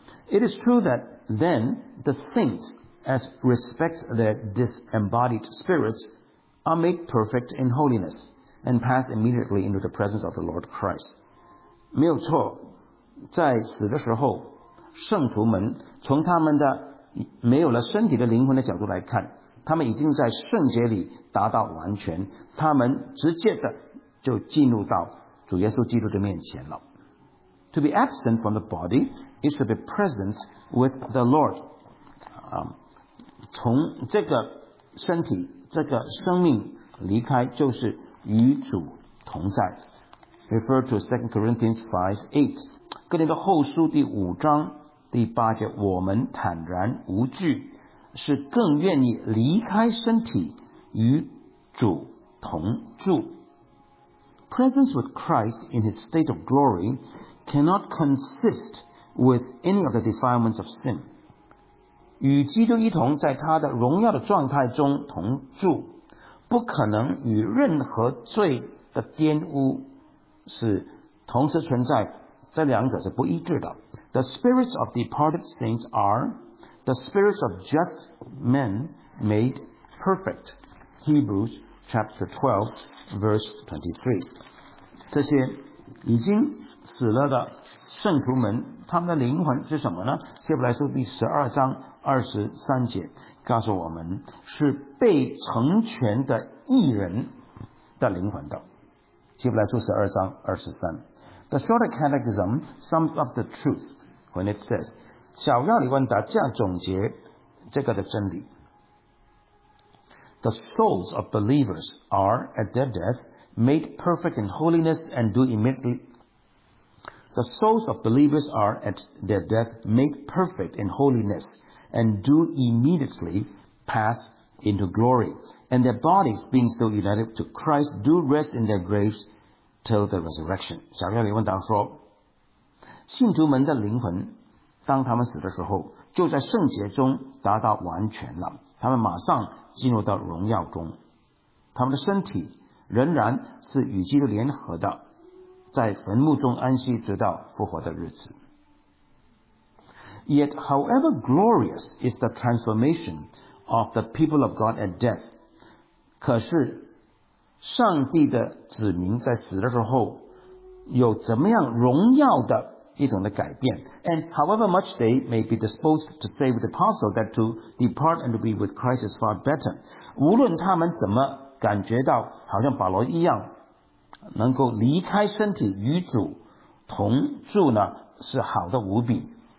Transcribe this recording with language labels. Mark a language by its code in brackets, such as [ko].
[en] It is true that then the saints, as respects their disembodied spirits, are made perfect in holiness. And pass immediately into the presence of the Lord Christ. [zh] 没有错，在死的时候，圣徒们从他们的没有了身体的灵魂的角度来看，他们已经在圣洁里达到完全，他们直接的就进入到主耶稣基督的面前了。 [en] To be absent from the body is to be present with the Lord. [zh] 从这个身体，这个生命离开，就是与主同在。 [en] Refer to 2 Corinthians 5:8, [zh] 哥林多后书第五章第八节，我们坦然无惧，是更愿意离开身体与主同住。 [en] Presence with Christ in his state of glory cannot consist with any of the defilements of sin. [zh] 与基督一同在他的荣耀的状态中同住，不可能与任何罪的玷污是同时存在，这两者是不一致的。 [en] The spirits of departed saints are the spirits of just men made perfect. Hebrews chapter 12 verse 23. [zh] 这些已经死了的圣徒们，他们的灵魂是什么呢？希伯来书第十二章二十三节告诉我们，是被成全的义人的灵魂的。希伯来书十二章二十三。 [en] The short catechism sums up the truth when it says, [zh] 小要理问答这样总结这个的真理。 [en] The souls of believers are at their death made perfect in holiness and do immediately. The souls of believers are at their death made perfect in holiness. And do immediately pass into glory. And their bodies, being still united to Christ, do rest in their graves till the resurrection. [zh] 小要理问答说，信徒们的灵魂，当他们死的时候，就在圣洁中达到完全了。他们马上进入到荣耀中。他们的身体仍然是与基督联合的，在坟墓中安息，直到复活的日子。 [en] Yet, however glorious is the transformation of the people of God at death, [zh] 可是上帝的子民在死的时候有怎么样荣耀的一种的改变。 [en] And however much they may be disposed to say with the apostle that to depart and to be with Christ is far better, [zh] 无论他们怎么感觉到好像保罗一样能够离开身体与主同住呢，是好的无比。